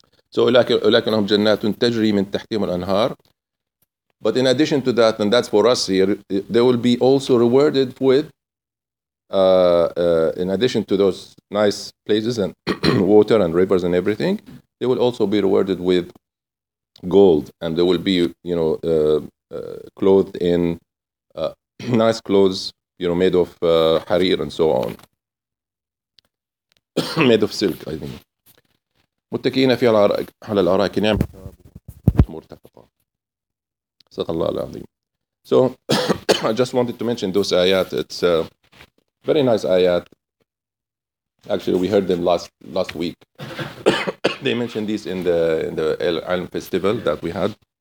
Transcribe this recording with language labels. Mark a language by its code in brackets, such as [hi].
[en] So, [ar] ulakinahum jannatun tajri min tahtihim al-anhar. [en] But in addition to that, and that's for us here, they will be also rewarded with, in addition to those nice places and water and rivers and everything, they will also be rewarded with gold, and they will be, clothed in nice clothes, made of harir and so on, made of silk, I think. [ar] متكئين في على الأرائك نعم مرتفقة. [en] So, I just wanted to mention those ayat. It's a very nice ayat. Actually, we heard them last week. They mentioned these in the Al Alam festival that we had.